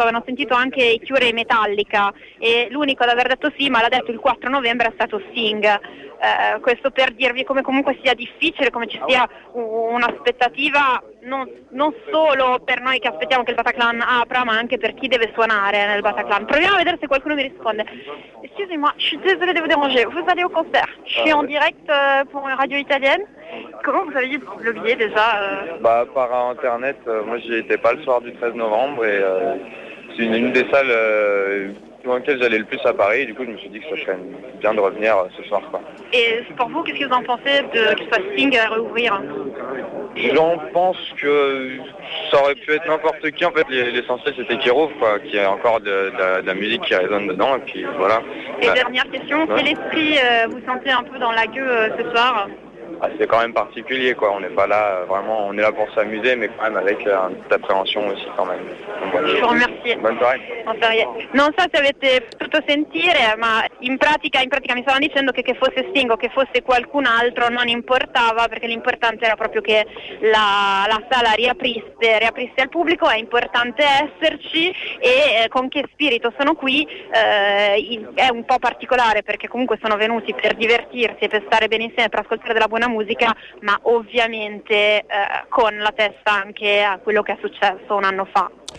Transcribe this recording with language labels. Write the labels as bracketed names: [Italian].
[Italian] Avevano sentito anche i Cure e Metallica, e l'unico ad aver detto sì, ma l'ha detto il 4 novembre, è stato Sting. Questo per dirvi come comunque sia difficile, come ci sia un'aspettativa non solo per noi che aspettiamo che il Bataclan apra, ma anche per chi deve suonare nel Bataclan. Proviamo a vedere se qualcuno mi risponde. [French] Excusez-moi, je suis désolé de vous déranger. Vous allez au concert? Je suis en direct pour une radio italienne. Comment vous avez eu le billet déjà? Bah, par internet. Moi, j'y étais pas le soir du 13 novembre et c'est une des salles dans lesquelles j'allais le plus à Paris. Et du coup, je me suis dit que ça serait bien de revenir ce soir, quoi. Et pour vous, qu'est-ce que vous en pensez de que ce soit Sting à rouvrir? J'en pense que ça aurait pu être n'importe qui. En fait, l'essentiel c'était qu'il rouvre, quoi, qu'il y ait encore de la musique qui résonne dedans, et puis voilà. Et dernière question, quel esprit vous sentez un peu dans la gueule ce soir? Ah, c'est quand même particulier, quoi. On n'est pas là vraiment, on est là pour s'amuser, mais quand même avec une petite appréhension aussi quand même. Donc, voilà. Je vous remercie. [Italian] Sì. Buongiorno. Non so se avete potuto sentire, ma in pratica mi stavano dicendo che fosse Sting o che fosse qualcun altro non importava, perché l'importante era proprio che la sala riaprisse al pubblico. È importante esserci e con che spirito sono qui è un po' particolare, perché comunque sono venuti per divertirsi e per stare bene insieme, per ascoltare della buona musica, ma ovviamente con la testa anche a quello che è successo un anno fa.